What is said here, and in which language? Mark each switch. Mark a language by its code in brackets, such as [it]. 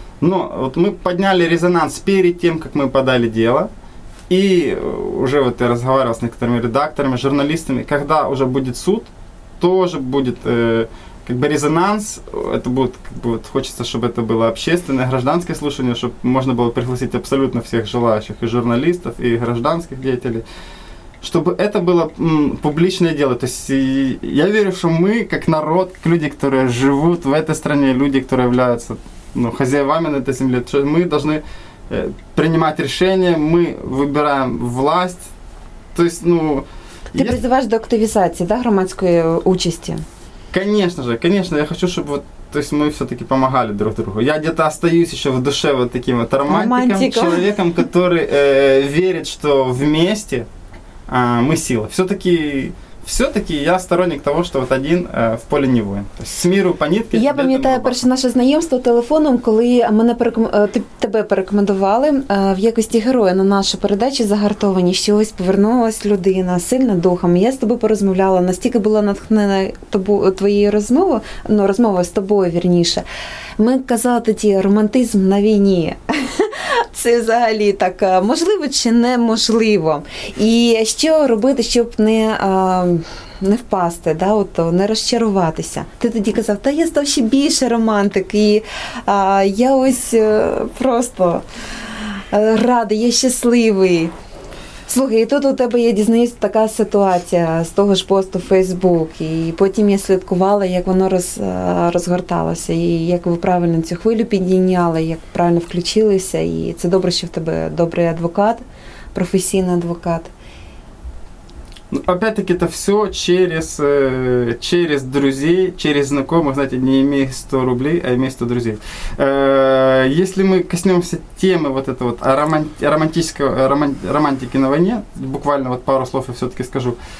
[uk] Но от ми підняли резонанс перед тим, як ми подали діло. І вже от я розмовляв з некоторими редакторами, журналістами, коли вже буде суд, [ru] тоже буде как бы резонанс, это будет, как бы, вот хочется, чтобы это было общественное, гражданское слушание, чтобы можно было пригласить абсолютно всех желающих, и журналистов, и гражданских деятелей, чтобы это было публичное дело. То есть я верю, что мы, как народ, как люди, которые живут в этой стране, люди, которые являются, ну, хозяевами на этой земле, что мы должны принимать решения, мы выбираем власть. То есть, ну... Ты призываешь до активизации, да, громадской участи? Конечно же, конечно, я хочу, чтобы вот, то есть мы все-таки помогали друг другу. Я где-то остаюсь еще в душе вот таким вот романтиком, человеком, который верит, что вместе мы сила. Все-таки я сторонник того, что вот один в поле не воин. То есть с миру по нитке. [uk] Я пам'ятаю перше наше знайомство телефоном, коли мене тебе порекомендували в якості героя на нашу передачу «Загартовані», що ось повернулась людина сильна духом. Я з тобою порозмовляла, настільки була натхнена твоєю розмовою, ну, розмова з тобою, вірніше. Ми казали тоді «Романтизм на війні». Це взагалі так можливо чи неможливо. І що робити, щоб не впасти, да, от, не розчаруватися. Ти тоді казав, та я став ще більше романтик, і я ось просто радий, я щасливий. Слухай, і тут у тебе, я дізнаюся, така ситуація з того ж посту в Фейсбук, і потім я слідкувала, як воно розгорталося, і як ви правильно цю хвилю підійняли, як правильно включилися, і це добре, що в тебе добрий адвокат, професійний адвокат. [ru] Но опять-таки это все через друзей, через знакомых, знаете, не имея 100 рублей, а имея 100 друзей. Если мы коснемся темы вот этого вот романтики на войне, буквально вот пару слов я все-таки скажу.